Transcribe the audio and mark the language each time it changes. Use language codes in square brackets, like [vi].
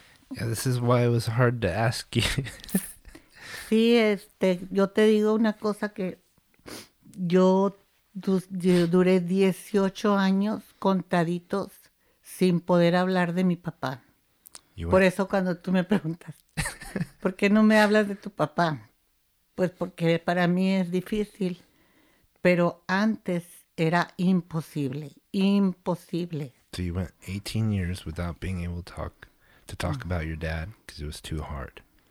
[en] Yeah, this is why it was hard to ask you. [es] Sí, yo te digo una cosa que... Yo duré 18 años contaditos sin poder hablar de mi papá. Por eso cuando tú me preguntas, ¿por qué no me hablas de tu papá? Pues porque para mí es difícil, pero antes era imposible, imposible. [en] So you went 18 years without being able to talk about your dad because it was too hard.